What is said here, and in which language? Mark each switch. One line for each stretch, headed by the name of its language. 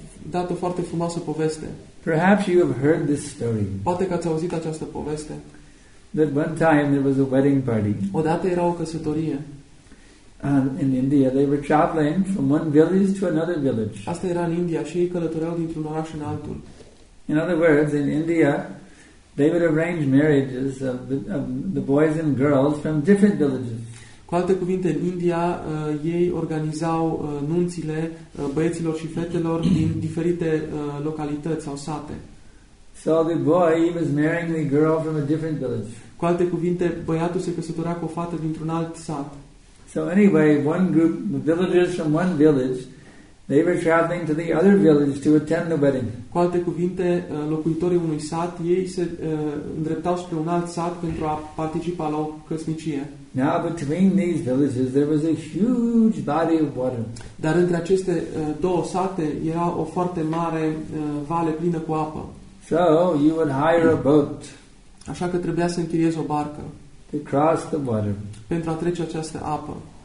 Romanian: Dat o foarte frumoasă poveste.
English: Perhaps you have heard this story.
Romanian: Poate că ați auzit această poveste.
English: That one time there was a wedding party.
Romanian: Odată era o căsătorie.
English: And in India, they were traveling from one village to another village.
Romanian: Asta era în India și ei călătoreau dintr-un oraș în altul.
English: In other words, in India, they would arrange marriages of the boys and girls from different villages.
Romanian: Cu alte cuvinte, în India, ei organizau nunțile băieților și fetelor din diferite localități sau sate.
English: So the boy was marrying the girl from a different village.
Romanian: Cu alte cuvinte, băiatul se căsătorea cu o fată dintr-un alt sat.
English: So anyway, one group, the villagers from one village, they were traveling to the other village to attend the wedding.
Romanian: Cu alte cuvinte, locuitorii unui sat, ei se îndreptau spre un alt sat pentru a participa la o căsnicie.
English: Now between these villages there was a huge body of water.
Romanian: Dar între aceste două sate era o foarte mare vale plină cu apă.
English: So you would hire a boat.
Romanian: Așa că trebuia să închiriezi o barcă.
English: To cross the water.
Romanian: Pentru a trece această apă.